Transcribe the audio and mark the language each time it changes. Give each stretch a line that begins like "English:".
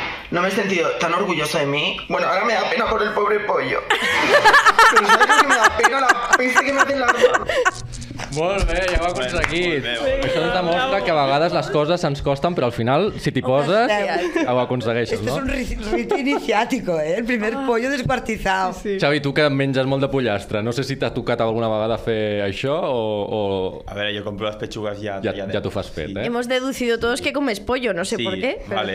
Spanish: No me he sentido tan orgullosa de mí. Bueno, ahora me da pena por el pobre pollo. Pero ¿sabes que me da pena la peste que me hace la...
Catalan: Molt bé, ja ho ha aconseguit. Això ens demostra que a vegades les coses ens costen, però al final, si t'hi poses, ho aconsegueixes, no?
Spanish: Este es un rito iniciático, eh? El primer pollo desquartizado. Sí,
Catalan: sí. Xavi, tu que menges molt de pollastre, no sé si t'ha tocat alguna vegada fer això o... A veure, jo compro les pechugues i ja t'ho fas fet, eh?
Spanish: Hemos deducido todos que comes pollo, no sé por qué, pero vale.